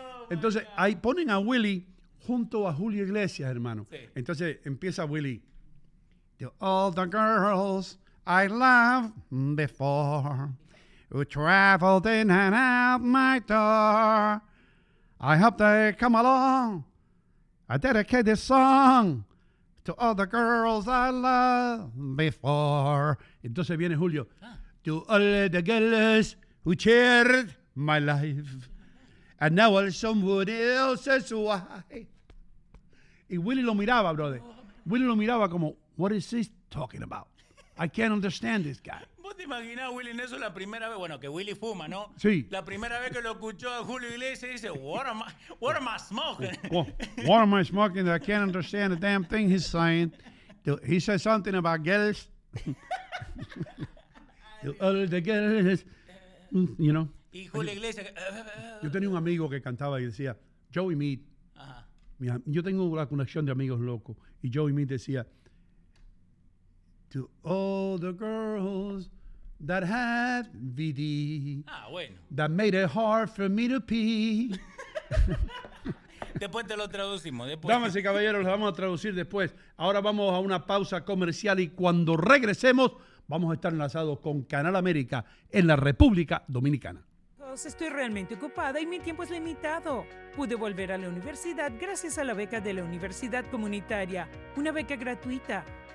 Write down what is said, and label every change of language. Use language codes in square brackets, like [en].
[es] Entonces, ahí ponen a Willie junto a Julio Iglesias, hermano. Sí. Entonces, empieza Willie. [en] All the girls I loved before who traveled in and out my door, I hope they come along. I dedicate this song to all the girls I loved before. [es] Entonces viene Julio. [en] To all the girls who cheered my life, and now all somebody else's wife. [es] Y Willie lo miraba, [en] brother. [es] Willie lo miraba como, [en] what is this talking about? I can't understand this guy. [es] ¿Vos te imaginás, Willie, en eso la primera vez? Bueno, que Willie fuma, ¿no? Sí. La primera vez que lo escuchó a Julio Iglesias, dice, [en] what am I smoking? What am I smoking that I can't understand a damn thing he's saying? He said something about girls. The girls, you know. [es] Y Julio Iglesias. Yo tenía un amigo que cantaba y decía, Joey Mead. Ajá. Yo tengo una conexión de amigos locos. Y Joey Mead decía, [en] to all the girls that had VD. [es] Ah, bueno. [en] That made it hard for me to pee. [es] Después te lo traducimos. Damas y caballeros, lo vamos a traducir después. Ahora vamos a una pausa comercial y cuando regresemos, vamos a estar enlazados con Canal América en la República Dominicana. Estoy realmente ocupada y mi tiempo es limitado. Pude volver a la universidad gracias a la beca de la Universidad Comunitaria, una beca gratuita.